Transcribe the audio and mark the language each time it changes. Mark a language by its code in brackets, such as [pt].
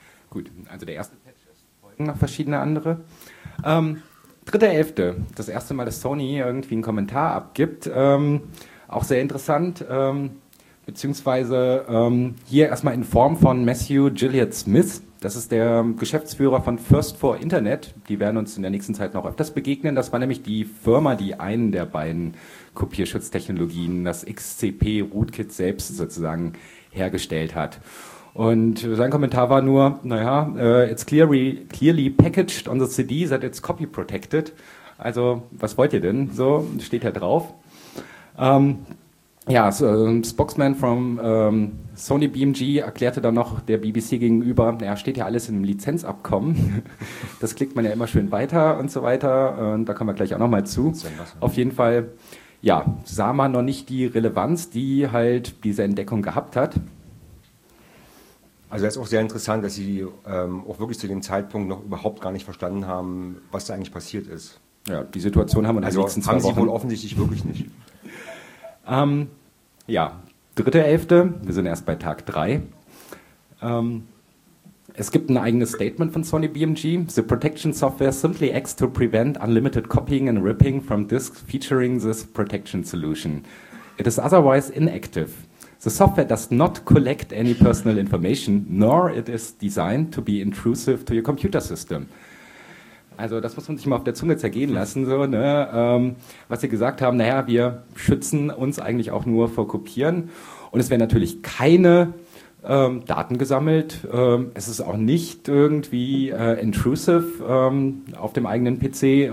[de] Gut, also der erste Patch ist folgen noch verschiedene andere. 3.11., das erste Mal, dass Sony irgendwie einen Kommentar abgibt, auch sehr interessant, beziehungsweise hier erstmal in Form von Matthew Gilliard Smith, das ist der Geschäftsführer von First for Internet, die werden uns in der nächsten Zeit noch öfters begegnen, das war nämlich die Firma, die einen der beiden Kopierschutztechnologien, das XCP Rootkit selbst sozusagen hergestellt hat. Und sein Kommentar war nur, [en] it's clearly packaged on the CD, that it's copy protected. [de] Also, was wollt ihr denn? So, steht ja drauf. [en] Spokesman from [de] Sony BMG erklärte dann noch der BBC gegenüber, steht ja alles im Lizenzabkommen. Das klickt man ja immer schön weiter und so weiter. Und da kommen wir gleich auch nochmal zu. Auf jeden Fall, sah man noch nicht die Relevanz, die halt diese Entdeckung gehabt hat. Also das ist auch sehr interessant, dass sie auch wirklich zu dem Zeitpunkt noch überhaupt gar nicht verstanden haben, was da eigentlich passiert ist. Ja, die Situation haben wir in den nächsten zwei Wochen. Haben sie wohl offensichtlich wirklich nicht. 3.11., wir sind erst bei Tag 3. Es gibt ein eigenes Statement von Sony BMG. [en] The protection software simply acts to prevent unlimited copying and ripping from disks featuring this protection solution. It is otherwise inactive. The software does not collect any personal information, nor it is designed to be intrusive to your computer system. [de] Also das muss man sich mal auf der Zunge zergehen lassen. So, ne? Was sie gesagt haben, wir schützen uns eigentlich auch nur vor Kopieren. Und es werden natürlich keine Daten gesammelt. Es ist auch nicht irgendwie intrusive auf dem eigenen PC.